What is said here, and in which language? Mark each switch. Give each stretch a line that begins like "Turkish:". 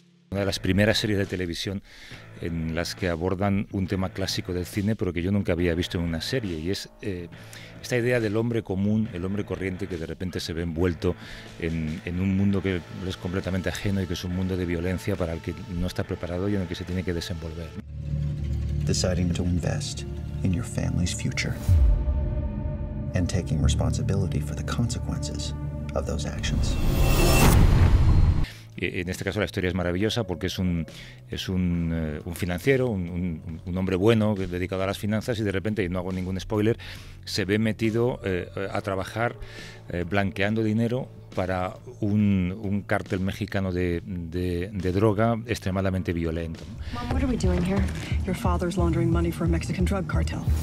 Spanish: una de las primeras series de televisión en las que abordan un tema clásico del cine, pero que yo nunca había visto en una serie, y es esta idea del hombre común, el hombre corriente, que de repente se ve envuelto en un mundo que es completamente ajeno y que es un mundo de violencia para el que no está preparado y en el que se tiene que desenvolver.
English: Deciding to invest in your family's future and taking responsibility for the consequences of those actions.
Spanish: En este caso la historia es maravillosa porque es un financiero, un hombre bueno dedicado a las finanzas, y de repente, y no hago ningún spoiler, se ve metido a trabajar blanqueando dinero para un cártel mexicano de droga extremadamente violento.
English: Mom, what are we doing here? Your father's laundering money for a Mexican drug cartel.